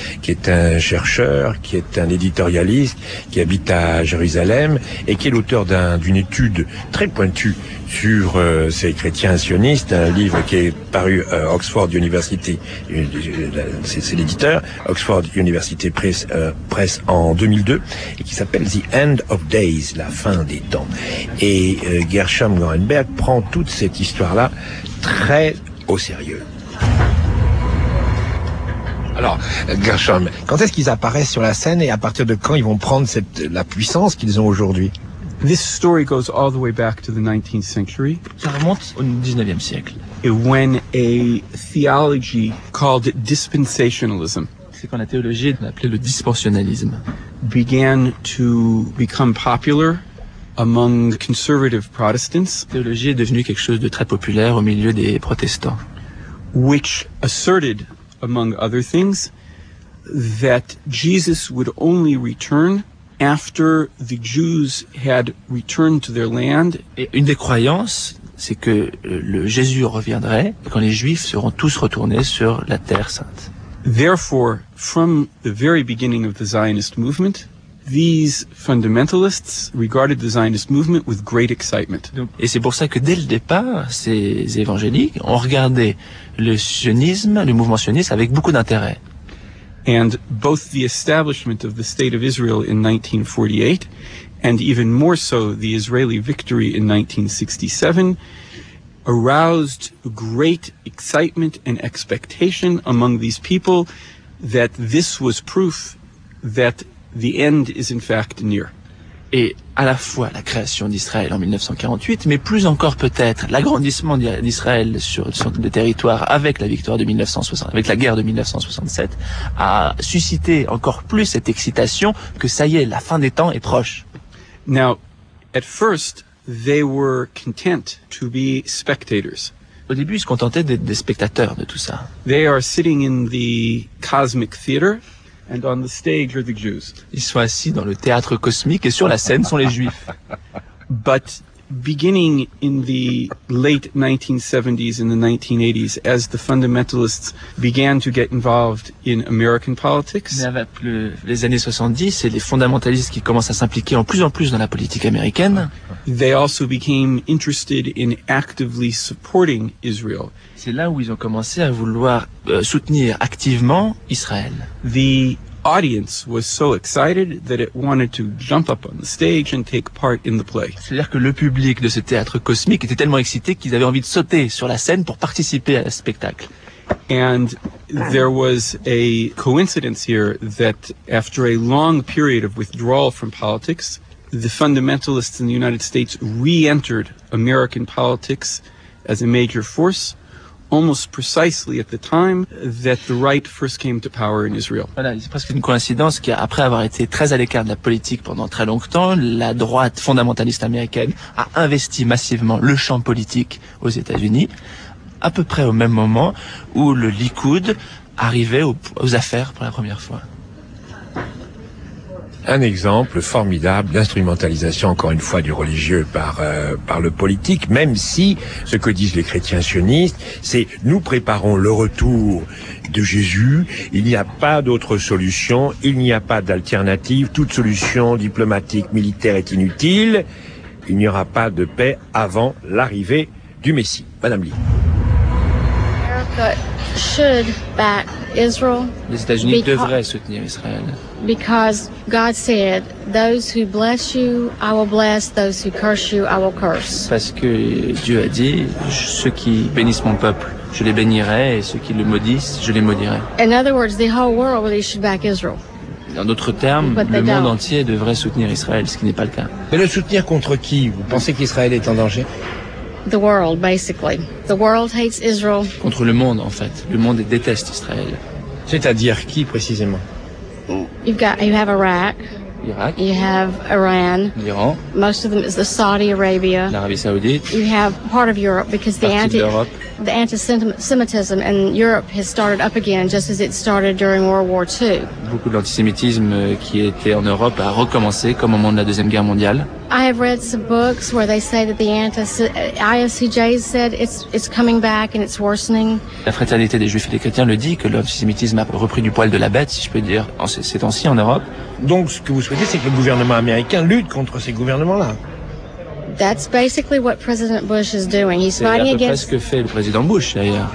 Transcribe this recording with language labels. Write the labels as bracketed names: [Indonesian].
[French] qui est un chercheur, qui est un éditorialiste, qui habite à Jérusalem et qui est l'auteur d'une étude très pointue sur ces chrétiens sionistes, un livre qui est paru Oxford University, c'est l'éditeur, Oxford University Press, Press en 2002, et qui s'appelle The End of Days, la fin des temps. Et Gershom Gorenberg prend toute cette histoire-là très au sérieux. Alors, Gershom, quand est-ce qu'ils apparaissent sur la scène et à partir de quand ils vont prendre la puissance qu'ils ont aujourd'hui? [English] This story goes all the way back to the 19th century. [French] Ça remonte au 19e siècle. [English] Et when a theology called dispensationalism. [French] C'est quand la théologie appelée le dispensationalisme. [English] Began to become popular among conservative Protestants. [French] La théologie est devenue quelque chose de très populaire au milieu des protestants. [English] Which asserted, among other things, that Jesus would only return After the Jews had returned to their land, [French] et une des croyances, c'est que le Jésus reviendrait quand les Juifs seront tous retournés sur la Terre Sainte. [English] Therefore, from the very beginning of the Zionist movement, these fundamentalists regarded the Zionist movement with great excitement. [French] Et c'est pour ça que dès le départ, ces évangéliques ont regardé le sionisme, le mouvement sioniste, avec beaucoup d'intérêt. [English] And both the establishment of the State of Israel in 1948 and even more so the Israeli victory in 1967 aroused great excitement and expectation among these people that this was proof that the end is in fact near. [French] Et à la fois la création d'Israël en 1948, mais plus encore peut-être l'agrandissement d'Israël sur des territoires avec la victoire de 1960, avec la guerre de 1967, a suscité encore plus cette excitation que ça y est, la fin des temps est proche. [English] Now, at first, they were content to be spectators. [French] Au début, ils se contentaient d'être des spectateurs de tout ça. [English] They are sitting in the cosmic theater. And on the stage are the Jews. [French] Ils sont assis dans le théâtre cosmique et sur la scène sont les Juifs. [English] But beginning in the late 1970s and the 1980s, as the fundamentalists began to get involved in American politics, [French] mais avec les années 70, c'est les fondamentalistes qui commencent à s'impliquer en plus dans la politique américaine. [English] They also became interested in actively supporting Israel. [French] C'est là où ils ont commencé à vouloir soutenir activement Israël. [English] The audience was so excited that it wanted to jump up on the stage and take part in the play. [French] C'est-à-dire que le public de ce théâtre cosmique était tellement excité qu'ils avaient envie de sauter sur la scène pour participer à ce spectacle. [English] And there was a coincidence here that after a long period of withdrawal from politics, the fundamentalists in the United States re-entered American politics as a major force. Almost precisely at the time that the right first came to power in Israel. [French] Voilà, c'est presque une coïncidence qu'après avoir été très à l'écart de la politique pendant très longtemps, la droite fondamentaliste américaine a investi massivement le champ politique aux États-Unis, à peu près au même moment où le Likoud arrivait aux affaires pour la première fois. Un exemple formidable d'instrumentalisation, encore une fois, du religieux par le politique, même si ce que disent les chrétiens sionistes, c'est nous préparons le retour de Jésus, il n'y a pas d'autre solution, il n'y a pas d'alternative, toute solution diplomatique, militaire est inutile, il n'y aura pas de paix avant l'arrivée du Messie. Madame Lee. [English] Should back Israel. [French] Les États-Unis devraient soutenir Israël. [English] Because God said, those who bless you, I will bless; those who curse you, I will curse. [French] Parce que Dieu a dit, ceux qui bénissent mon peuple, je les bénirai, et ceux qui le maudissent, je les maudirai. [English] In other words, the whole world really should back Israel. [French] En d'autres termes, le monde entier devrait soutenir Israël, ce qui n'est pas le cas. Mais le soutenir contre qui? Vous pensez qu'Israël est en danger? [English] The world, basically. The world hates Israel. [French] Contre le monde, en fait. Le monde déteste Israël. C'est-à-dire qui, précisément? [English] You have Iraq. [French] Irak. [English] You have Iran. [French] L'Iran. [English] Most of them is the Saudi Arabia. [French] L'Arabie Saoudite. [English] You have part of Europe, because the anti-Semitism in Europe has started up again, just as it started during World War II. [French] Beaucoup de l'antisémitisme qui était en Europe a recommencé, comme au moment de la Deuxième Guerre mondiale. [English] I have read some books where they say that the ISCJ said it's coming back and it's worsening. [French] La fraternité des Juifs et des Chrétiens le dit, que l'antisémitisme a repris du poil de la bête, si je peux dire, en ces temps-ci en Europe. Donc ce que vous souhaitez, c'est que le gouvernement américain lutte contre ces gouvernements-là. [English] That's basically what President Bush is doing. He's fighting against. [French] C'est ce que fait le président Bush d'ailleurs.